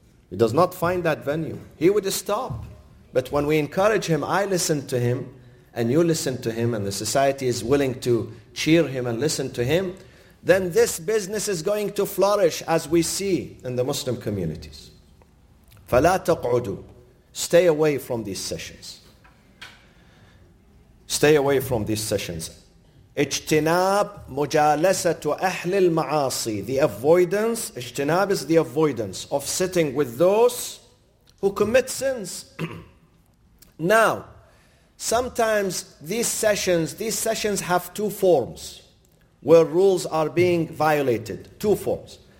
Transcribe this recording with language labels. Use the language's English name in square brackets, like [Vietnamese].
[English] He does not find that venue. He would stop. But when we encourage him, I listen to him, and you listen to him, and the society is willing to cheer him and listen to him, then this business is going to flourish as we see in the Muslim communities. [Arabic] فَلَا تَقْعُدُوا. [English] Stay away from these sessions. Stay away from these sessions. [Arabic] اجتناب مجالسة أهل المعاصي. [English] The avoidance, اجتناب is the avoidance of sitting with those who commit sins. Now, sometimes these sessions have two forms where rules are being violated. Two forms.